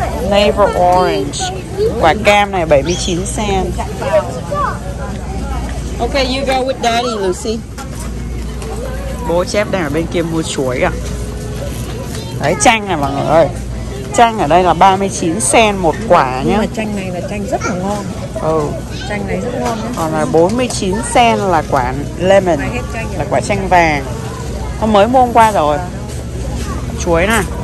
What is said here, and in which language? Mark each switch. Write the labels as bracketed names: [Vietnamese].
[English] Navel orange, [Vietnamese] quả cam này 79 cent. [English] Ok, you go with daddy, Lucy. [Vietnamese] Bố chép đang ở bên kia mua chuối à. Đấy, chanh này mọi người ơi. Chanh ở đây là 39 cent một quả nhá. Nhưng mà chanh này là chanh rất là ngon. Ừ. Chanh này rất ngon nhá. Còn là 49 cent là quả lemon, là quả chanh vàng. Hôm mới mua hôm qua rồi. Chuối nè.